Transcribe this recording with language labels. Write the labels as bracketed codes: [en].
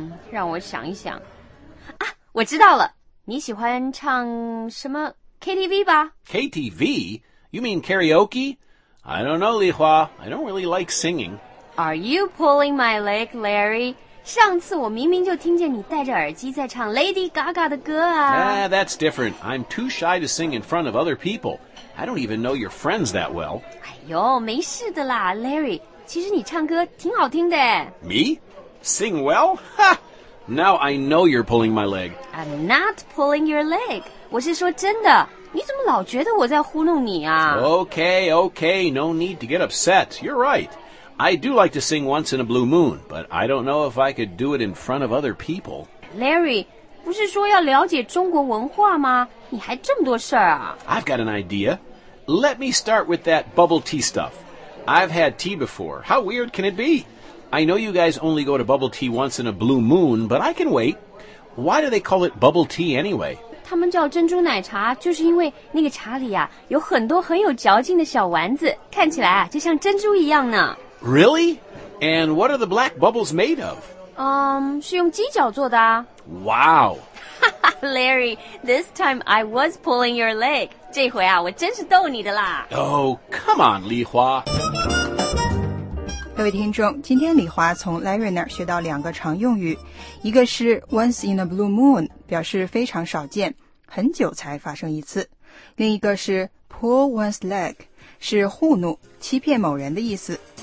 [zh] 让我想一想啊我知道了你喜欢唱什么 KTV 吧 [en] KTV? You mean karaoke? I don't know, Li Hua I don't really like singing Are you pulling my leg, Larry? [zh] 上次我明明就听见你戴着耳机在唱 Lady Gaga 的歌啊 [en] That's different. I'm too shy to sing in front of other people. I don't even know your friends that well. [zh] 哎呦，没事的啦 ，Larry。其实你唱歌挺好听的。 [en] Me? Sing well? Ha! Now I know you're pulling my leg. I'm not pulling your leg. [zh] 我是说真的。你怎么老觉得我在糊弄你啊 [en] ？Okay, okay. No need to get upset. You're right. I do like to sing once in a blue moon, but I don't know if I could do it in front of other people. [zh] Larry, 不是说要了解中国文化吗？你还这么多事儿啊 [en] ？I've got an idea. Let me start with that bubble tea stuff. I've had tea before. How weird can it be? I know you guys only go to bubble tea once in a blue moon, but I can wait. Why do they call it bubble tea anyway? [zh] 他们叫珍珠奶茶，就是因为那个茶里啊有很多很有嚼劲的小丸子，看起来啊就像珍珠一样呢。 [en] Really? And what are the black bubbles made of? [zh] 是用鸡脚做的啊。 [en] Wow. Larry, this time I was pulling your leg. [zh] 这回啊，我真是逗你的啦。 [en] Oh, come on, Li Hua. [zh] 各位听众，今天李华从 Larry 那儿学到两个常用语，一个是 [en] once in a blue moon， [zh] 表示非常少见，很久才发生一次；另一个是 [en] pull one's leg， [zh] 是糊弄、欺骗某人的意思。